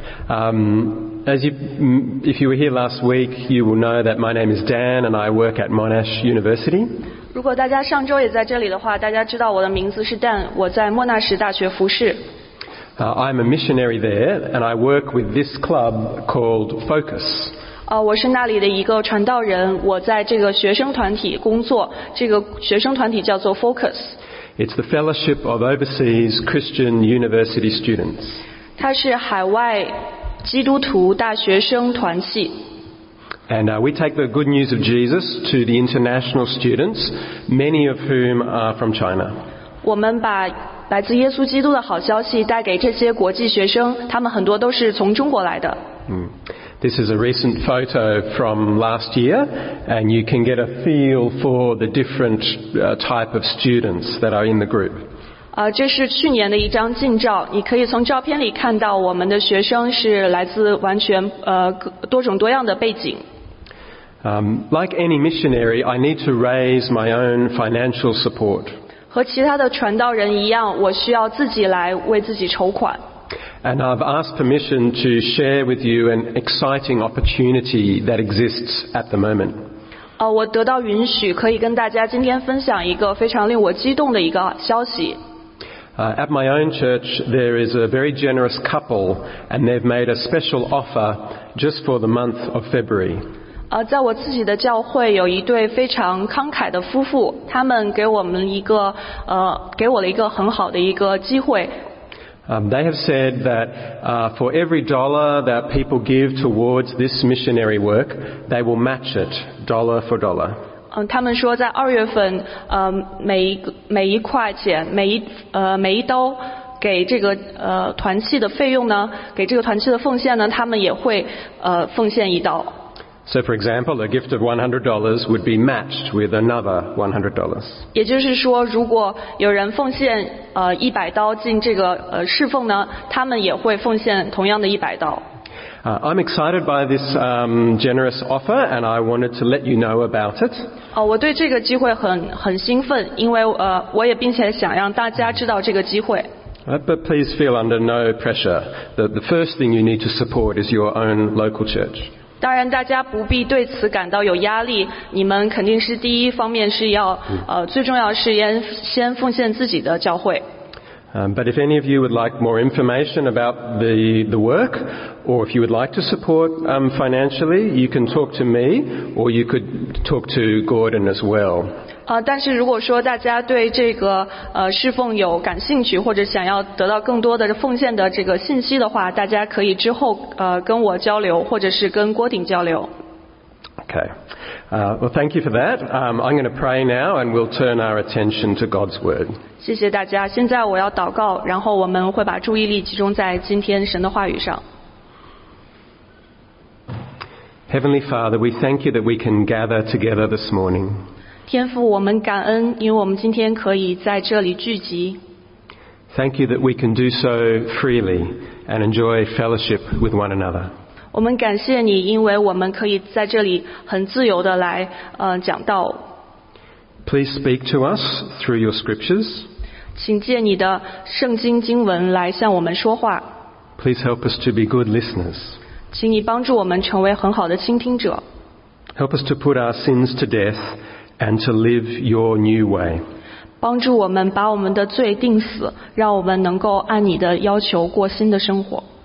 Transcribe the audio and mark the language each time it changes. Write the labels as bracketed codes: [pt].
[en] If you were here last week, you will know that my name is Dan, and I work at Monash University. [zh] 如果大家上周也在这里的话，大家知道我的名字是 Dan， 我在莫纳什大学服侍。 [en] I'm a missionary there, and I work with this club called Focus. [zh] 我是那里的一个传道人，我在这个学生团体工作，这个学生团体叫做 Focus。 [en] It's the Fellowship of Overseas Christian University Students. [zh] 它是海外基督徒大学生团契。 [en] And we take the good news of Jesus to the international students, many of whom are from China. [zh] 我们把来自耶稣基督的好消息带给这些国际学生，他们很多都是从中国来的。 [en] This is a recent photo from last year, and you can get a feel for the different type of students that are in the group. [zh] 这是去年的一张近照，你可以从照片里看到我们的学生是来自完全多种多样的背景。 [en] Like any missionary, I need to raise my own financial support. [zh] 和其他的传道人一样，我需要自己来为自己筹款。 [en] And I've asked permission to share with you an exciting opportunity that exists at the moment. [zh] 我得到允许可以跟大家今天分享一个非常令我激动的一个消息。 [en] At my own church, there is a very generous couple, and they've made a special offer just for the month of February. [zh] 在我自己的教会有一对非常慷慨的夫妇，他们给我们一个给我了一个很好的一个机会。 [en] They have said that for every dollar that people give towards this missionary work, they will match it dollar for dollar. [zh] 他们说在二月份，每一块钱，每一刀给这个团契的费用呢，给这个团契的奉献呢，他们也会奉献一刀。 [en] So for example, a gift of $100 would be matched with another $100. [zh] 也就是说，如果有人奉献100刀进这个侍奉呢，他们也会奉献同样的100刀。 [en] I'm excited by this generous offer, and I wanted to let you know about it. [zh] 我对这个机会很兴奋，因为我也并且想让大家知道这个机会。 [en] But please feel under no pressure. The first thing you need to support is your own local church. [zh] 当然大家不必对此感到有压力，你们肯定是第一方面是要最重要是先奉献自己的教会。 [en] But if any of you would like more information about the work, or if you would like to support financially, you can talk to me, or you could talk to Gordon as well. [zh] 但是如果说大家对这个侍奉有感兴趣，或者想要得到更多的奉献的这个信息的话，大家可以之后跟我交流，或者是跟郭鼎交流。 [en] Okay. Well, thank you for that. I'm going to pray now, and we'll turn our attention to God's word. [zh] 谢谢大家。现在我要祷告，然后我们会把注意力集中在今天神的话语上。 [en] Heavenly Father, we thank you that we can gather together this morning. [zh] 天父，我们感恩，因为我们今天可以在这里聚集。 [en] Thank you that we can do so freely and enjoy fellowship with one another. [zh] 我们感谢你，因为我们可以在这里很自由的来讲道。 [en] Please speak to us through your scriptures. [zh] 请借你的圣经经文来向我们说话。 [en] Please help us to be good listeners. [zh] 请你帮助我们成为很好的倾听者。 [en] Help us to put our sins to death and to live your new way. [zh] 帮助我们把我们的罪定死，让我们能够按你的要求过新的生活。